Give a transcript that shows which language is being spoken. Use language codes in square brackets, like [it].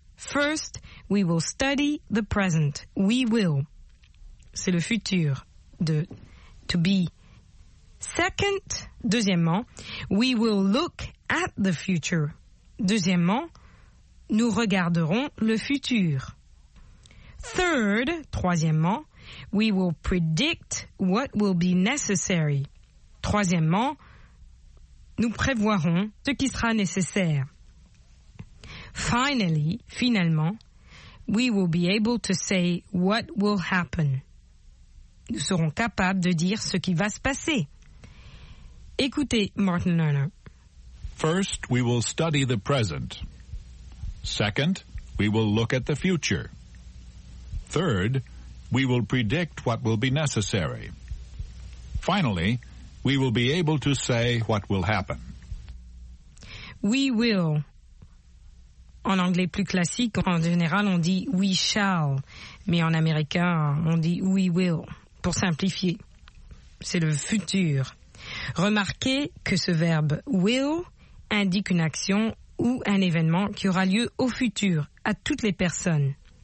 [en] « First, we will study the present. We will. » [fr] C'est le futur de [en] « to be. » « Second, deuxièmement, we will look at the future. » [fr] Deuxièmement, nous regarderons le futur. [en] Third, troisièmement, we will predict what will be necessary. [fr] Troisièmement, nous prévoirons ce qui sera nécessaire. [en] Finally, finalement, we will be able to say what will happen. [fr] Nous serons capables de dire ce qui va se passer. Écoutez Martin Lerner. [en] First, we will study the present. Second, we will look at the future. Third, we will predict what will be necessary. Finally, we will be able to say what will happen. We will. [fr] En anglais plus classique, en général, on dit [en] we shall. [fr] Mais en américain, on dit [en] we will. [fr] Pour simplifier, c'est le futur. Remarquez que ce verbe will indique une action ou un événement qui aura lieu au futur, à toutes les personnes.